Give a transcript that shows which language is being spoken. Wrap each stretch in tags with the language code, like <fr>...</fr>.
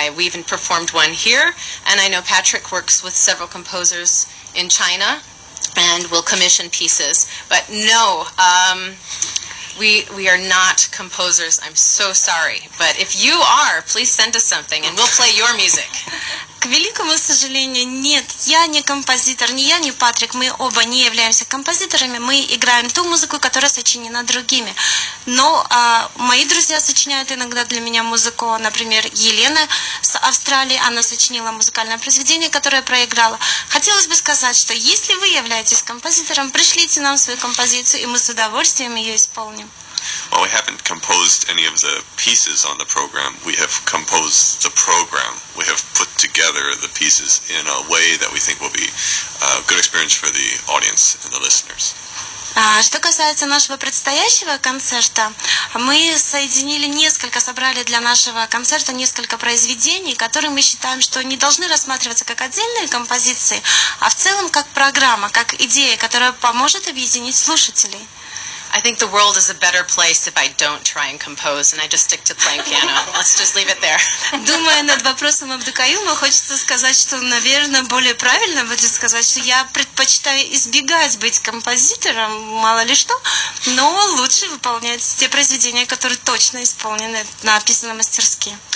<en>We even performed one here, and I know Patrick works with several composers in China. And we'll commission pieces, but no, we are not composers. I'm so sorry, but if you are, please send us something, and we'll play your music.</en> <ru>К великому сожалению, нет, я не композитор, ни я, ни Патрик, мы оба не являемся композиторами, мы играем ту музыку, которая сочинена другими. Но мои друзья сочиняют иногда для меня музыку, например, Елена с Австралии, она сочинила музыкальное произведение, которое проиграла. Хотелось бы сказать, что если вы являетесь композитором, пришлите нам свою композицию, и мы с удовольствием ее исполним.</ru> <en>Well, we haven't composed any of the pieces on the program. We have composed the program. We have put together the pieces in a way that we think will be a good experience for the audience and the listeners.</en> <ru>Что касается нашего предстоящего концерта, мы соединили несколько, собрали для нашего концерта несколько произведений, которые мы считаем, что не должны рассматриваться как отдельные композиции, а в целом как программа, как идея, которая поможет объединить слушателей.</ru> <en>I think the world is a better place if I don't try and compose and I just stick to playing piano. Let's just leave it there.</en> <ru>Думая над вопросом Абдукаима, хочется сказать, что, наверное, более правильно будет сказать, что я предпочитаю избегать быть композитором, мало ли что, но лучше выполнять те произведения, которые точно исполнены, написаны мастерски.</ru>